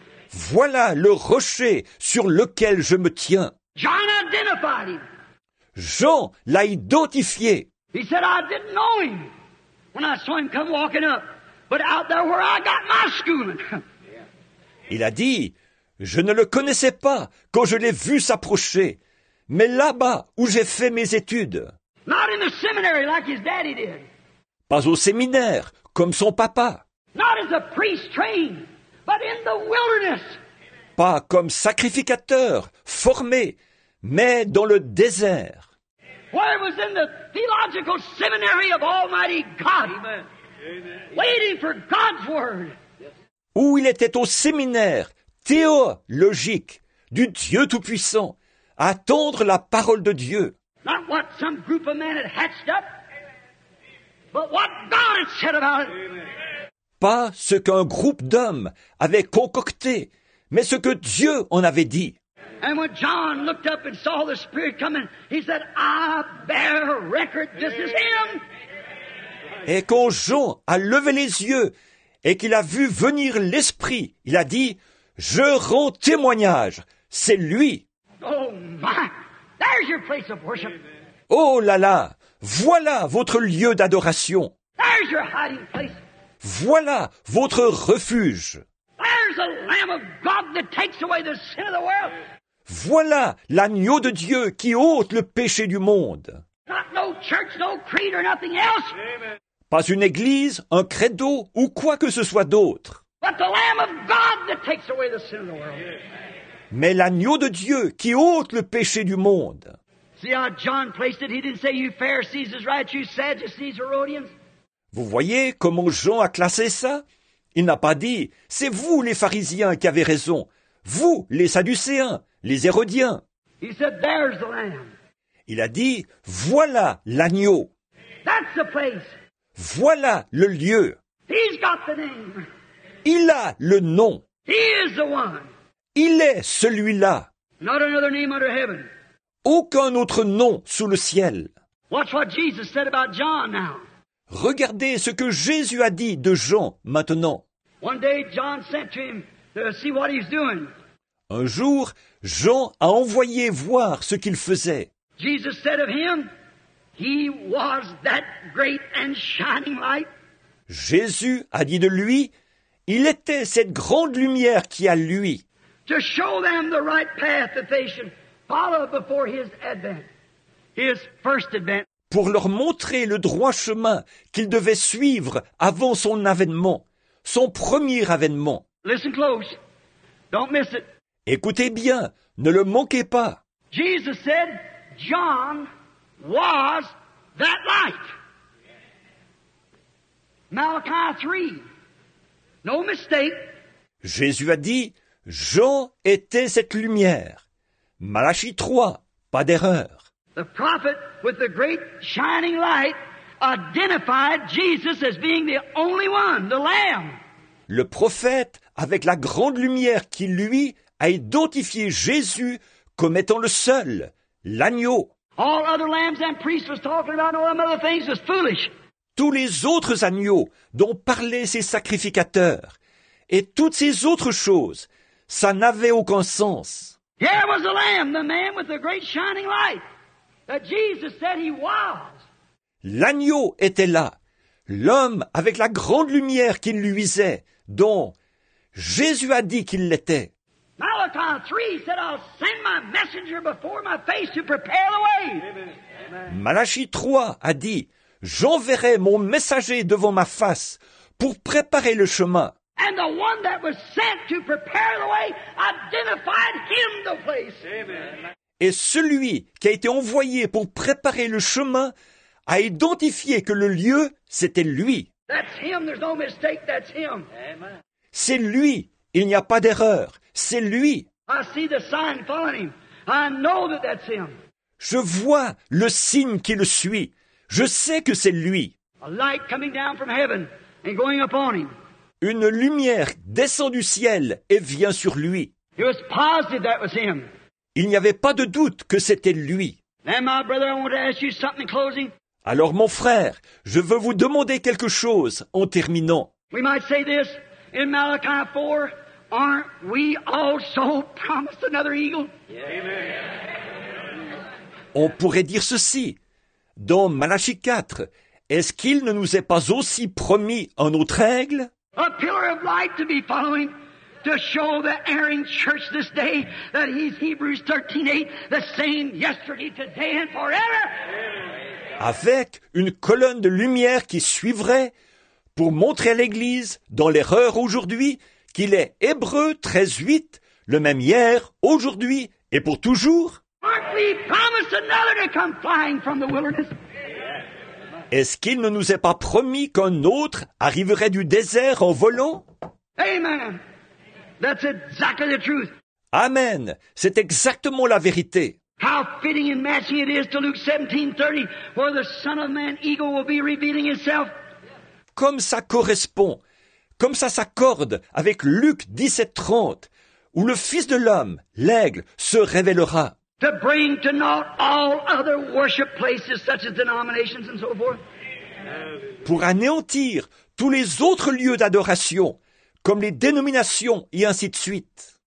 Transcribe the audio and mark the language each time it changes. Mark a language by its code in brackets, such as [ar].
[fr] Voilà le rocher sur lequel je me tiens. [en] John identified him. [fr] Jean l'a identifié. [en] He said, I didn't know him when I saw him come walking up, but out there where I got my schooling. [fr] Il a dit, je ne le connaissais pas quand je l'ai vu s'approcher, mais là-bas où j'ai fait mes études. [en] Not in the seminary like his daddy did. [fr] Pas au séminaire comme son papa. [en] Not as a priest trained, but in the wilderness. [fr] Pas comme sacrificateur formé, mais dans le désert. [en] Where was in the theological seminary of Almighty God. Amen. Waiting for God's word. [fr] Où il était au séminaire théologique du Dieu Tout-Puissant, à attendre la parole de Dieu. [en] Not what some group of men had hatched up, but what God had said about it. [fr] Pas ce qu'un groupe d'hommes avait concocté, mais ce que Dieu en avait dit. [en] And when John looked up and saw the Spirit coming, he said, I bear record, this is him. [fr] Et quand Jean a levé les yeux et qu'il a vu venir l'Esprit, il a dit, je rends témoignage, c'est lui. [en] Oh my, there's your place of worship. [fr] Oh là là, voilà votre lieu d'adoration. [en] There's your hiding place. [fr] Voilà votre refuge. [en] There's the Lamb of God that takes away the sin of the world. [fr] Voilà l'agneau de Dieu qui ôte le péché du monde. [en] Not no church, no creed or nothing else. Amen. [fr] Pas une église, un credo ou quoi que ce soit d'autre. [en] But the Lamb of God that takes away the sin of the world. [fr] Mais l'agneau de Dieu qui ôte le péché du monde. [en] See how John placed it? He didn't say you Pharisees is right, you Sadducees, Herodians. [fr] Vous voyez comment Jean a classé ça? Il n'a pas dit, c'est vous les pharisiens qui avez raison, vous les Sadducéens, les Hérodiens. [en] He said, there's the lamb. [fr] Il a dit, voilà l'agneau. [en] That's the place. [fr] Voilà le lieu. [en] He's got the name. [fr] Il a le nom. [en] He is the one. [fr] Il est celui-là. [en] Not another name under heaven. [fr] Aucun autre nom sous le ciel. [en] Watch what Jesus said about John now. [fr] Regardez ce que Jésus a dit de Jean maintenant. [en] One day John sent to him to see what he's doing. [fr] Un jour, Jean a envoyé voir ce qu'il faisait. [en] Jesus said of him, he was that great and shining light. [fr] Jésus a dit de lui, il était cette grande lumière qui a lui. [en] To show them the right path that they should follow before his advent, his first advent. [fr] Pour leur montrer le droit chemin qu'ils devaient suivre avant son avènement, son premier avènement. [en] Listen close. Don't miss it. [fr] Écoutez bien, ne le manquez pas. [en] Jesus said, John was that light. Malachi 3. No mistake. [fr] Jésus a dit, Jean était cette lumière. Malachi 3, pas d'erreur. [en] The prophet with the great shining light identified Jesus as being the only one, the Lamb. [fr] Le prophète avec la grande lumière qui lui a identifié Jésus comme étant le seul, l'agneau. [en] All other lambs and priests was talking about all them other things was foolish. [fr] Tous les autres agneaux dont parlaient ces sacrificateurs et toutes ces autres choses, ça n'avait aucun sens. [en] Here was the Lamb, the man with the great shining light. That Jesus said he was. [fr] L'agneau était là, l'homme avec la grande lumière qui luisait, dont Jésus a dit qu'il l'était. [en] Malachi 3 said, I'll send my messenger before my face to prepare the way. Amen. [fr] Malachi 3 a dit, j'enverrai mon messager devant ma face pour préparer le chemin. [en] And the one that was sent to prepare the way identified him the place. Amen. [fr] Et celui qui a été envoyé pour préparer le chemin a identifié que le lieu, c'était lui. [en] That's him. There's no mistake. That's him. [fr] C'est lui. Il n'y a pas d'erreur. C'est lui. [en] I see the sign following him. I know that that's him. [fr] Je vois le signe qui le suit. Je sais que c'est lui. [en] A light coming down from heaven and going upon him. [fr] Une lumière descend du ciel et vient sur lui. [en] He was positive that was him. [fr] Il n'y avait pas de doute que c'était lui. [en] Now, my brother, I want to ask you something in closing. [fr] Alors, mon frère, je veux vous demander quelque chose en terminant. [en] We might say this in Malachi 4. Aren't we also promised another eagle? Amen. [fr] On pourrait dire ceci dans Malachie 4. Est-ce qu'il ne nous est pas aussi promis un autre aigle? [en] A pillar of light to be following. To show the erring church this day that he's Hebrews 13:8, the same yesterday, today, and forever. [fr] Avec une colonne de lumière qui suivrait pour montrer à l'Église dans l'erreur aujourd'hui qu'il est Hébreux 13:8, le même hier, aujourd'hui et pour toujours. [en] Aren't we promised another to come flying from the wilderness? [fr] Est-ce qu'il ne nous est pas promis qu'un autre arriverait du désert en volant? [en] Amen. That's exactly the truth. Amen. [fr] C'est exactement la vérité. [en] How fitting and matching it is to Luke 17:30, where the Son of Man eagle will be revealing himself. [fr] Comme ça correspond, comme ça s'accorde avec Luc 17:30, où le Fils de l'homme, l'aigle, se révélera. [en] To bring to naught all other worship places, such as denominations and so forth. [fr] Pour anéantir tous les autres lieux d'adoration, comme les dénominations et ainsi de suite.